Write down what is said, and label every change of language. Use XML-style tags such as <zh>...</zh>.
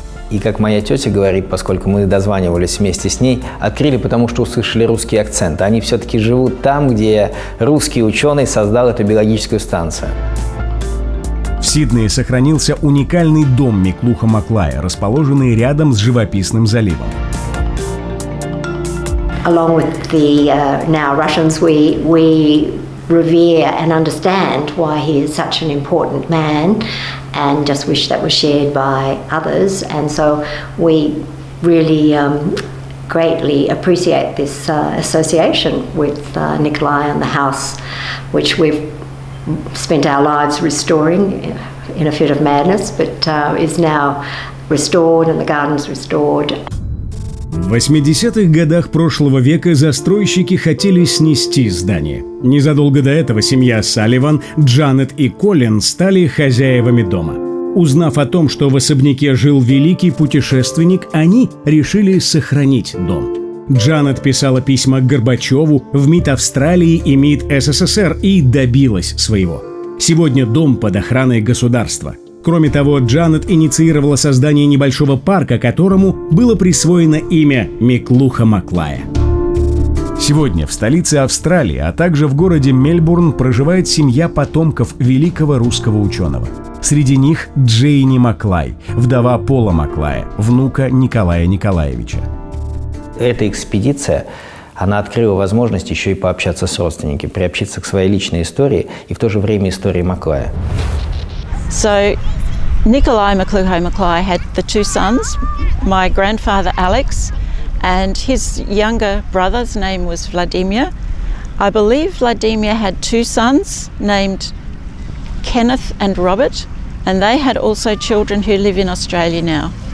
<ru>И как моя тетя говорит, поскольку мы дозванивались вместе с ней, открыли, потому что услышали русский акцент. Они все-таки живут там, где русский ученый создал эту биологическую станцию. В Сиднее сохранился уникальный дом Миклуха Маклая, расположенный рядом с живописным заливом.</ru> <en>Along with the now Russians, we revere and understand why he is such an important man. And just wish that was shared by others. And so we really greatly appreciate this association with Nikolai and the house, which we've spent our lives restoring in a fit of madness, but is now restored and the garden's restored.</en> <ru>В 80-х годах прошлого века застройщики хотели снести здание. Незадолго до этого семья Салливан, Джанет и Колин стали хозяевами дома. Узнав о том, что в особняке жил великий путешественник, они решили сохранить дом. Джанет писала письма Горбачеву, в МИД Австралии и МИД СССР и добилась своего. Сегодня дом под охраной государства. Кроме того, Джанет инициировала создание небольшого парка, которому было присвоено имя Миклуха Маклая. Сегодня в столице Австралии, а также в городе Мельбурн, проживает семья потомков великого русского ученого. Среди них Джейни Маклай, вдова Пола Маклая, внука Николая Николаевича. Эта экспедиция она открыла возможность еще и пообщаться с родственниками, приобщиться к своей личной истории и в то же время истории Маклая.</ru> <en>So, Nikolai McLuhan Maclay had the two sons, my grandfather Alex, and his younger brother's name was Vladimir. I believe Vladimir had two sons named Kenneth and Robert, and they had also children who live in Australia now.</en>